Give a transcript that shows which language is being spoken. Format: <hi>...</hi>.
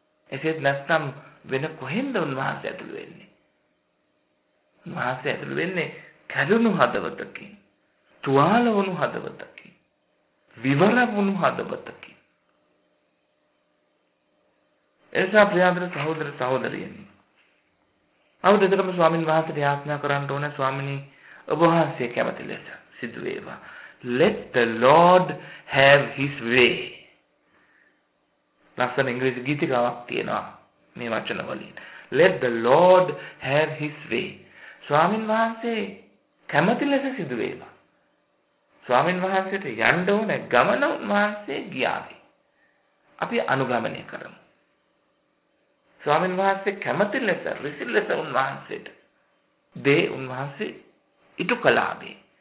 <si>එසේත් නැත්නම් වෙන කොහෙන්ද උන්වහන්සේ ඇතුල් වෙන්නේ? උන්වහන්සේ ඇතුල් වෙන්නේ කැඩුණු හදවතකින්, තුවාල වුණු හදවතකින්, විවර වුණු හදවතකින්. එසා ප්‍රියදර සහෝදර සහෝදරියනි, අව දෙතරම ස්වාමීන් වහන්සේට යාඥා කරන්න ඕන ස්වාමිනී, ඔබ වහන්සේ කැමති ලෙස සිදු වේවා.</si> <en>Let the Lord have his way.</en> <si>ලස්සන ඉංග්‍රීසි ගීතිකාවක් තියෙනවා මේ වචන වලින්.</si> <en>Let the Lord have his way.</en> <si>ස්වාමීන් වහන්සේ කැමති ලෙස සිදු වේවා. ස්වාමීන් වහන්සේට යන්න ඕන ගමන උන්වහන්සේ ගියාවේ. අපි අනුගමනය කරමු. ස්වාමීන් වහන්සේ කැමති ලෙස, රිසි ලෙස උන්වහන්සේට දේ උන්වහන්සේ ඉටු කළාවේ.</si>